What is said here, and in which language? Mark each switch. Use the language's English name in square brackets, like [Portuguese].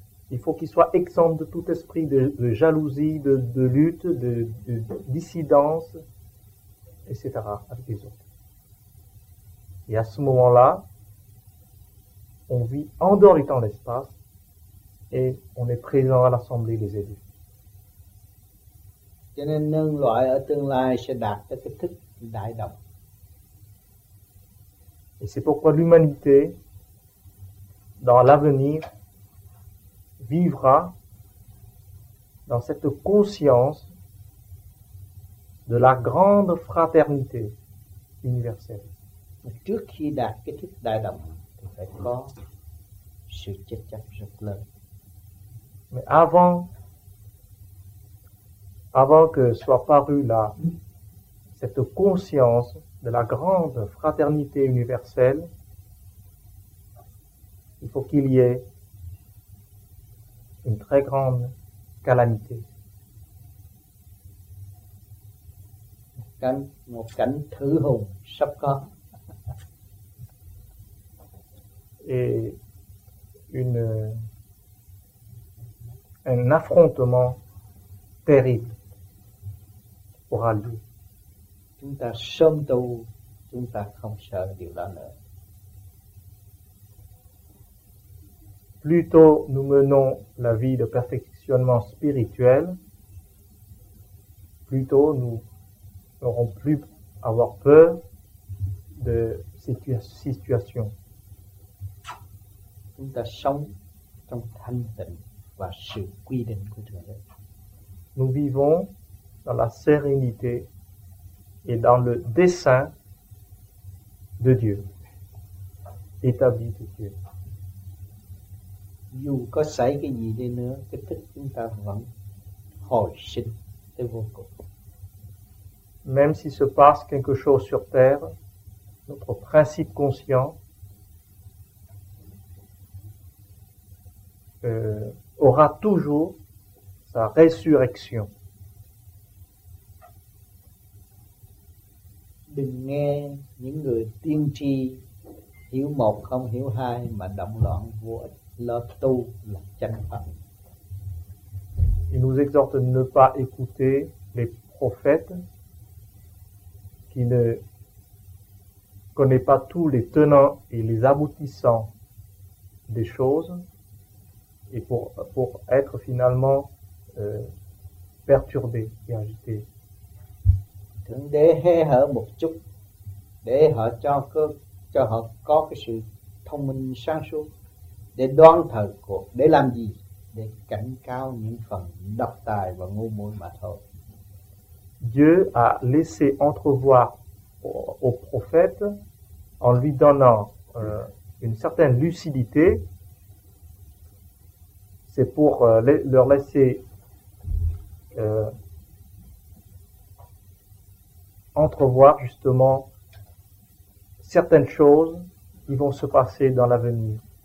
[French] Il faut qu'il soit exempt de tout esprit de jalousie, de lutte, de dissidence, etc. avec les autres. Et à ce moment-là, on vit en dehors du temps et l'espace et on est présent à l'assemblée des élus. [Vietnamese] Cho nên nhân loại ở tương lai sẽ đạt tới cái thức đại đồng. [French] Et c'est pourquoi l'humanité, dans l'avenir, vivra dans cette conscience de la grande fraternité universelle. [Vietnamese] Trước khi đạt cái thức đại đồng, thì phải có sự chết chóc rất lớn. [French] Mais avant que soit parue là cette conscience de la grande fraternité universelle, il faut qu'il y ait une très grande calamité. [Vietnamese] Une thử hùng sắp có. [French] Et un affrontement terrible. [Vietnamese] Chúng ta sớm tu, chúng ta không sợ điều đó nữa. [French] Plutôt nous menons la vie de perfectionnement spirituel, plutôt nous n'aurons plus avoir peur de situations. [Vietnamese] Chúng ta sống trong thanh tịnh và sự quy định của Thượng Đế. [French] Nous vivons dans la sérénité et dans le dessein de Dieu, établi de Dieu. [Vietnamese] Dù có xảy cái gì đi nữa, cái thức chúng ta vẫn hồi sinh tới vô cùng. [French] Même s'il se passe quelque chose sur terre, notre principe conscient aura toujours sa résurrection. [Vietnamese] Đừng nghe những người tiên tri hiểu một không hiểu hai mà động loạn vô ích, lo tu là chân pháp. [French] Il nous exhorte de ne pas écouter les prophètes qui ne connaissent pas tous les tenants et les aboutissants des choses et pour être finalement perturbé et agité. [Vietnamese] Thượng Đế hé hở một chút để họ cho họ có cái sự thông minh sáng suốt để đoán thời cuộc, để làm gì? Để cảnh cáo những phần độc tài và ngu muội mà thôi. [French] Dieu a laissé entrevoir au prophète en lui donnant une certaine lucidité, c'est pour leur laisser entrevoir justement certaines choses qui vont se passer dans l'avenir.